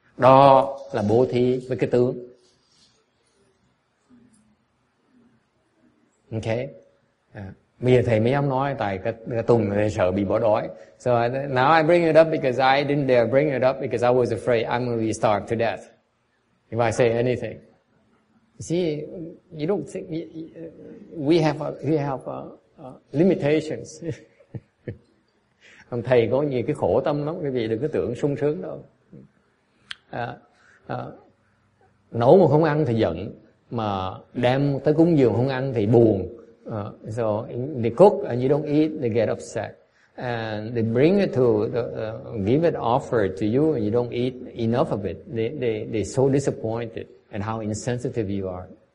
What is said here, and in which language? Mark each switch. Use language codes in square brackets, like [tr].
[vi] Đó là bố thí với cái tướng. Okay. Bây giờ thầy mới dám nói tại cái tùng này sợ bị bỏ đói. [en] So now I bring it up because I didn't dare bring it up because I was afraid I'm going to be starved to death if I say anything. See, you don't think we have limitations. [vi] Ông thầy có nhiều cái khổ tâm lắm, quý vị đừng có tưởng sung sướng đâu. Nấu mà không ăn thì giận, mà đem tới cúng dường không ăn thì buồn. [en] So they cook and you don't eat, they get upset. And they bring it to give it offered to you and you don't eat enough of it. They so disappointed at how insensitive you are.